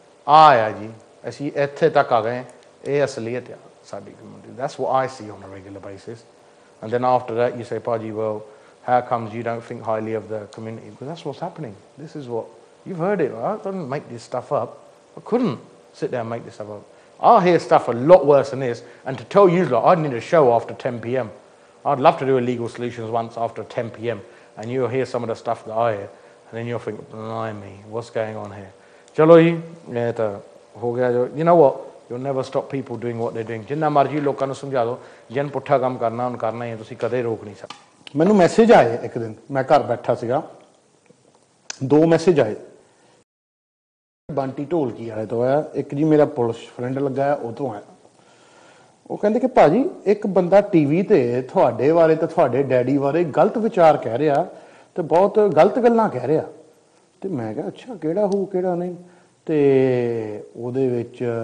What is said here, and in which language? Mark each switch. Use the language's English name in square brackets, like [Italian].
[Punjabi] ਆ ਆਇਆ ਜੀ ਅਸੀਂ ਇੱਥੇ ਤੱਕ ਆ ਗਏ ਇਹ ਅਸਲੀਅਤ ਆ ਸਾਡੀ community [English] That's what I see on a regular basis and then after that you say ਪਾਜੀ well how comes you don't think highly of the community because that's what's happening this is what you've heard it I don't make this stuff up I couldn't sit down make this stuff up I hear stuff a lot worse than this, and to tell you, lot, I'd need a show after 10 p.m. I'd love to do Illegal Solutions once after 10 p.m., and you'll hear some of the stuff that I hear, and then you'll think, blimey, what's going on here? [Punjabi] ਚਲੋ ਜੀ, [English] you know what? You'll never stop people doing what they're doing. [Punjabi] ਜਿੰਨਾ ਮਰਜੀ ਲੋਕਾਂ ਨੂੰ ਸਮਝਾ ਦੋ, ਜਿਨ ਪੁੱਠਾ ਕੰਮ ਕਰਨਾ ਉਨ ਕਰਨਾ ਹੈ, ਤੁਸੀ ਕਦੇ ਰੋਕ ਨਹੀ ਸਕਦੇ। Mainu message aaye ek din, main ghar baitha siga, do message aaye. ਬਾਂਟੀ ਢੋਲਕੀ ਵਾਲੇ ਤੋਂ ਆਇਆ ਇੱਕ ਜੀ ਮੇਰਾ ਪੁਲਿਸ ਫਰੈਂਡ ਲੱਗਾ ਆ ਉਹ ਤੋਂ ਆਇਆ ਉਹ ਕਹਿੰਦੇ ਕਿ ਭਾਅ ਜੀ ਇੱਕ ਬੰਦਾ ਟੀ ਵੀ 'ਤੇ ਤੁਹਾਡੇ ਬਾਰੇ ਅਤੇ ਤੁਹਾਡੇ ਡੈਡੀ ਬਾਰੇ ਗਲਤ ਵਿਚਾਰ ਕਹਿ ਰਿਹਾ ਅਤੇ ਬਹੁਤ ਗਲਤ ਗੱਲਾਂ ਕਹਿ ਰਿਹਾ ਅਤੇ ਮੈਂ ਕਿਹਾ ਅੱਛਾ ਕਿਹੜਾ ਹੋਊ ਕਿਹੜਾ ਨਹੀਂ ਅਤੇ ਉਹਦੇ ਵਿੱਚ